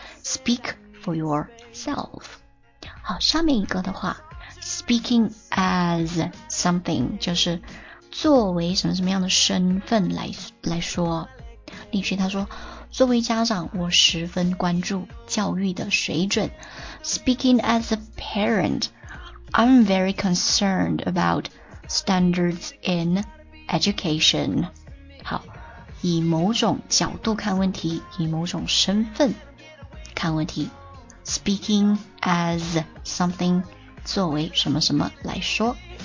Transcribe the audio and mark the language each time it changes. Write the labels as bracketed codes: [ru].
[en] Speak for yourself. [zh] 好，下面一个的话， [en] Speaking as something [zh] 就是作为什么什么样的身份 来说。例句，他说，作为家长，我十分关注教育的水准。 [en] Speaking as a parent, I'm very concerned about standards in education. [zh] 好，以某种角度看问题，以某种身份看问题。 [en] Speaking as something, [zh] 作为什么什么来说。